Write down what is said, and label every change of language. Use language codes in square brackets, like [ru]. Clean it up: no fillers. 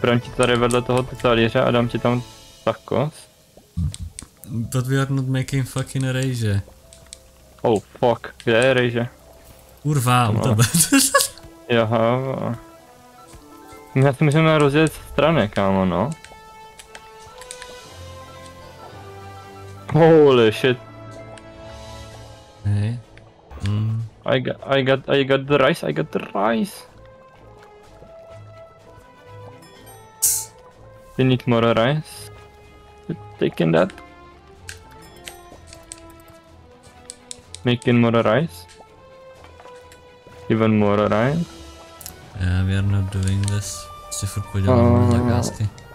[cs] připravím ti tady vedle toho talíře a dám ti tam tacos. [en] But we are not making fucking rejže. Oh fuck, [cs] kde je rejže? Kurva, u tebe. Jaha. Já si myslím, že rozjet strany, kámo, no. [en] Holy shit. Hey. I got the rice. You need more rice? Taking that? Making more rice? Even more rice? Yeah, we are not doing this. [cs] Si furt podělám zakázky.